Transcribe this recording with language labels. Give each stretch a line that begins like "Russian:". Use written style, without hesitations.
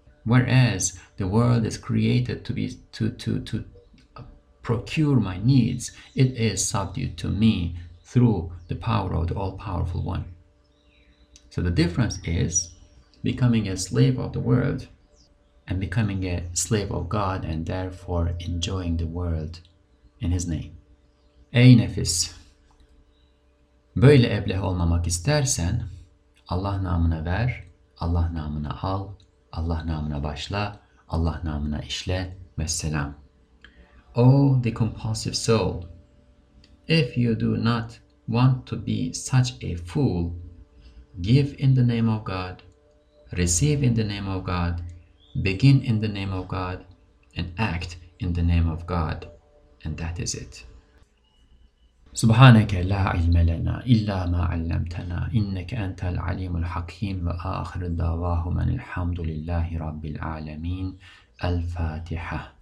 English: Whereas the world is created to procure my needs, it is subdued to me through the power of the all-powerful one. So the difference is becoming a slave of the world and becoming a slave of God, and therefore enjoying the world in his name.
Turkish: Ey nefis! Böyle ebleh olmamak istersen, Allah namına ver, Allah namına al, Allah namına başla, Allah namına işle ve selam.
English: O the compulsive soul, if you do not want to be such a fool, give in the name of God, receive in the name of God, begin in the name of God, and act in the name of God, and that is it.
Arabic: سبحانك لا علم لنا إلا ما علمتنا إنك أنت العليم الحكيم وآخر دعواهم أن الحمد لله رب العالمين الفاتحة